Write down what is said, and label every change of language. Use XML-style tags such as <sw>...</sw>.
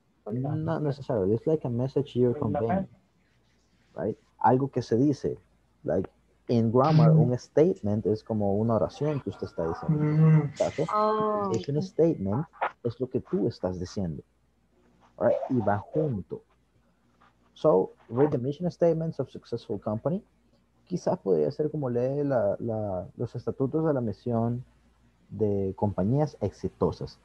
<en>Not necessarily, it's like a message you're conveying, right?</en> <es>Algo que se dice,</es> <en>like in grammar,</en> <es>un statement es como una oración que usted está diciendo.</es> <en>It's a statement,</en> <es>es lo que tú estás diciendo,</es> <en>right?</en> <es>Y va junto.</es> <en>So, read the mission statements of successful company.</en> <es>Quizás podría ser como leer los estatutos de la misión de compañías exitosas.</es>